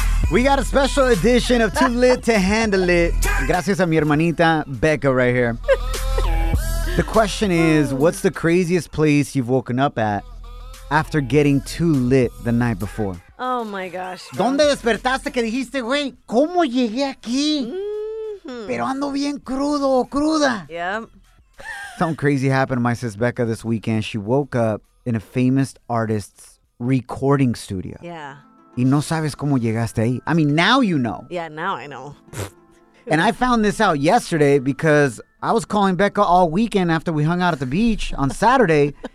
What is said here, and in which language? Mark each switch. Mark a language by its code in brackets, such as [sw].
[en] We got a special edition of Too Lit to Handle It. [es] Gracias a mi hermanita, [en] Becca, right here. The question is, what's the craziest place you've woken up at after getting too lit the night before? Oh, my gosh. Bro. [es] ¿Dónde despertaste que dijiste, güey, cómo llegué aquí? Mm-hmm. Pero ando bien crudo o cruda. [en] Yep. Something crazy happened to my sis Becca this weekend. She woke up in a famous artist's recording studio. Yeah. [es] Y no sabes cómo llegaste ahí. [en] I mean, now you know. Yeah, now I know. And I found this out yesterday because I was calling Becca all weekend after we hung out at the beach on Saturday.